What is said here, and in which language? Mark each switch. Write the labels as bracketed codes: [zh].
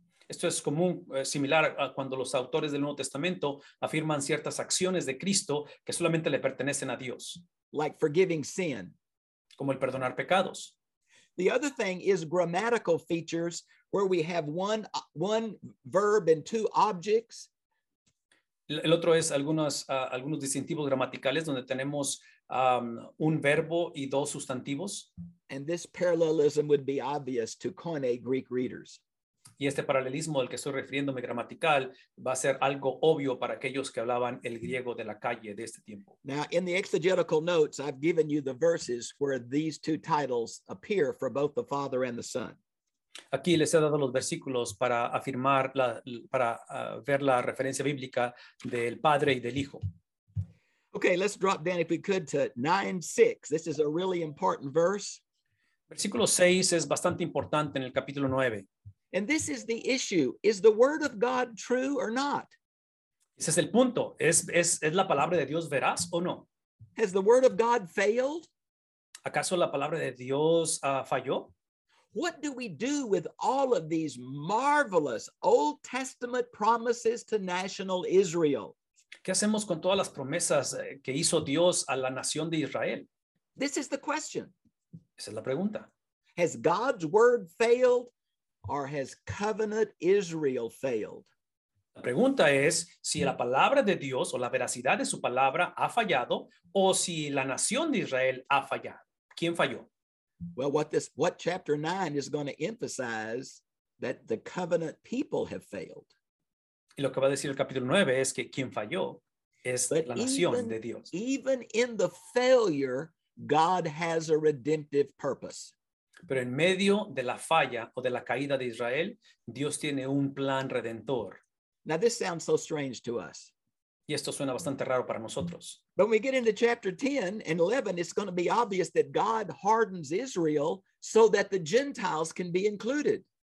[es] Esto es común, similar a cuando los autores del Nuevo Testamento afirman ciertas acciones de Cristo que solamente le pertenecen a Dios. [en] Like forgiving sin. [es] Como el perdonar pecados. [en] The other thing is grammatical features where we have one verb and two objects. [es] El otro es algunos distintivos gramaticales donde tenemos un verbo y dos sustantivos. [en] And this parallelism would be obvious to Koine Greek readers. [es] Y este paralelismo al que estoy refiriéndome gramatical va a ser algo obvio para aquellos que hablaban el griego de la calle de este tiempo. [en] Now, in the exegetical notes, I've given you the verses where these two titles appear for both the Father and the Son. [es] Aquí les he dado los versículos para afirmar, ver la referencia bíblica del Padre y del Hijo. [en] Okay, let's drop down if we could to 9:6. This is a really important verse. [es] Versículo 6 es bastante importante en el capítulo 9. [en] And this is the issue. Is the word of God true or not? [es] Ese es el punto. ¿Es la palabra de Dios veraz o no? [en] Has the word of God failed? [es] ¿Acaso la palabra de Dios falló? [en] What do we do with all of these marvelous Old Testament promises to national Israel? [es] ¿Qué hacemos con todas las promesas que hizo Dios a la nación de Israel? [en] This is the question. [es] Esa es la pregunta. [en] Has God's word failed? Or has covenant Israel failed? [es] La pregunta es si la palabra de Dios o la veracidad de su palabra ha fallado o si la nación de Israel ha fallado. ¿Quién falló? [en] Well, what chapter 9 is going to emphasize that the covenant people have failed. [es] Y lo que va a decir el capítulo 9 es que quien falló es [en] but [es] la nación [en] even, [es] de Dios. [en] Even in the failure, God has a redemptive purpose. [es] Pero en medio de la falla o de la caída de Israel, Dios tiene un plan redentor. [en] Now this sounds so strange to us. [es] Y esto suena bastante raro para nosotros. [en] But when we get into chapter 10 and 11, it's going to be obvious that God hardens Israel so that the Gentiles can be included.